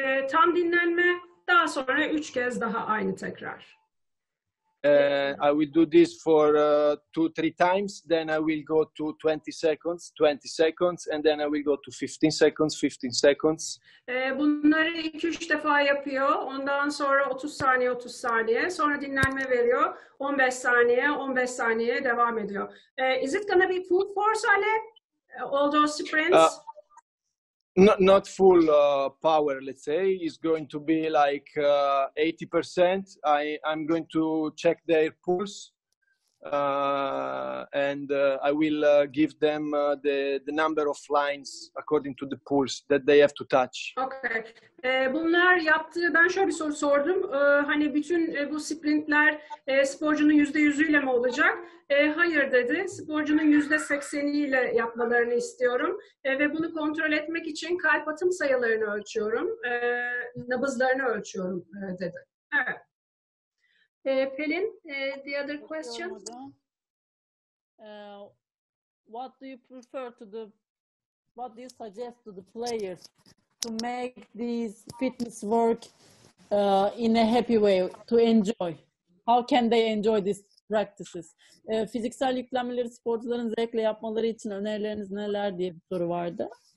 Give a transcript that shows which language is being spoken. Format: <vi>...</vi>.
<tr>Tam dinlenme, daha sonra 3 kez daha aynı tekrar.</tr> <en>I will do this for 2-3 times, then I will go to 20 seconds, 20 seconds, and then I will go to 15 seconds, 15 seconds.</en> <tr>Bunları 2-3 defa yapıyor, ondan sonra 30 saniye, 30 saniye, sonra dinlenme veriyor, 15 saniye, 15 saniye devam ediyor.</tr> <en>Is it gonna be full force, Ale? All those sprints? not full power, let's say, is going to be like 80%. I'm going to check their pulse and I will give them the number of lines according to the pulse that they have to touch.</en> <tr>Okay. Bunlar yaptı. Ben şöyle bir soru sordum. Hani bütün bu sprintler sporcunun %100'üyle mi olacak? Hayır dedi. Sporcunun %80'iyle yapmalarını istiyorum. Ve bunu kontrol etmek için kalp atım sayılarını ölçüyorum. Nabızlarını ölçüyorum dedi. Evet. Pelin,</tr> <en>the other question. What do you prefer to the, what do you suggest to the players to make these fitness work in a happy way, to enjoy? How can they enjoy these practices?</en> <tr>Fiziksel yüklenmeleri sporcuların zevkle yapmaları için önerileriniz neler diye bir soru vardı.</tr>